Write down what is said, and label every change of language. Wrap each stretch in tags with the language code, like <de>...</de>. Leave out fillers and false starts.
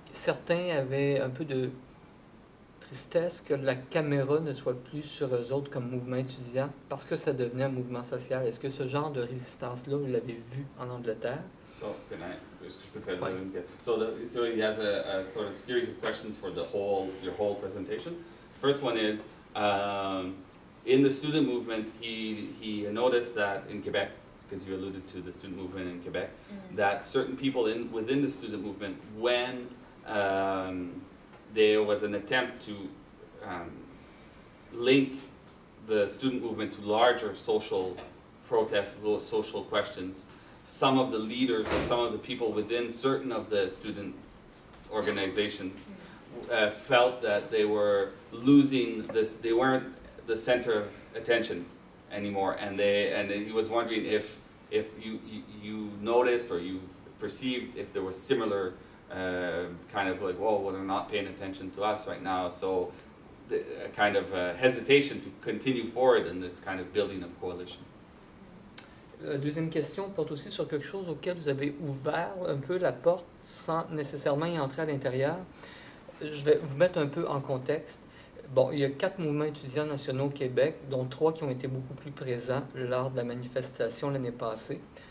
<fr>certains avaient un peu de tristesse que la caméra ne soit plus sur eux autres comme mouvement étudiant parce que ça devenait un mouvement social. Est-ce que ce genre de résistance-là, vous l'avez vu en Angleterre?</fr> <en>So, can I,</en> <fr>est-ce que je peux traduire? Ouais.</fr> <en>So he has a sort of series of questions for the whole, your whole presentation. First one is, in the student movement, he noticed that in Quebec, because you alluded to the student movement in Quebec, mm-hmm. that certain people in within the student movement, when there was an attempt to link the student movement to larger social protests, social questions, some of the leaders or some of the people within certain of the student organizations felt that they were losing this, they weren't the center of attention anymore, and he was wondering if you noticed or you perceived if there was similar kind of like, well, they're not paying attention to us right now, so a kind of hesitation to continue forward in this kind of building of coalition.</en> <fr>La deuxième question porte aussi sur quelque chose auquel vous avez ouvert un peu la porte sans nécessairement y entrer à l'intérieur. Je vais vous mettre un peu en contexte. Bon, il y a 4 mouvements étudiants nationaux au Québec, dont 3 qui ont été beaucoup plus présents lors de la manifestation l'année passée.</fr>